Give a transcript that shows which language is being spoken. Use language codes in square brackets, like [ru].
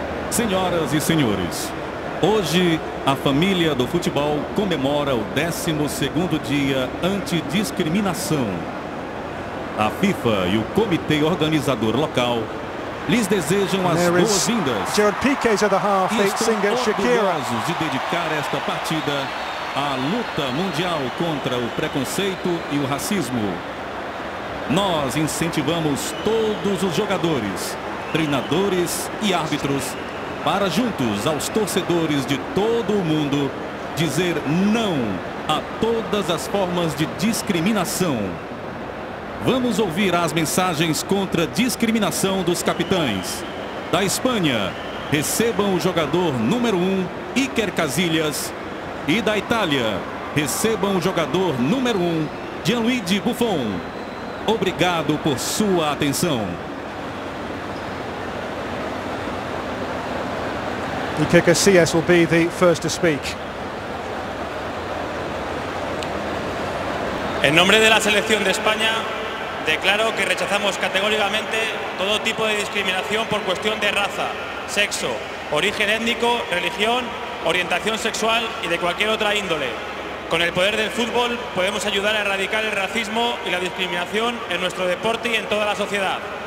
[pt] Senhoras e senhores, hoje a família do futebol comemora o 12º dia anti-discriminação. A FIFA e o comitê organizador local lhes desejam as boas-vindas. [en] Gerard Piqué's at the half, the singer Shakira. [pt] Orgulhosos de dedicar esta partida à luta mundial contra o preconceito e o racismo. Nós incentivamos todos os jogadores, treinadores e árbitros para juntos aos torcedores de todo o mundo dizer não a todas as formas de discriminação. Vamos ouvir as mensagens contra a discriminação dos capitães. Da Espanha, recebam o jogador número 1, Iker Casillas. E da Itália, recebam o jogador número 1, Gianluigi Buffon. Obrigado por sua atenção. [en] Iker Casillas will be the first to speak. [pt] Em nome da seleção de Espanha, [es] declaro que rechazamos categóricamente todo tipo de discriminación por cuestión de raza, sexo, origen étnico, religión, orientación sexual y de cualquier otra índole. Con el poder del fútbol podemos ayudar a erradicar el racismo y la discriminación en nuestro deporte y en toda la sociedad.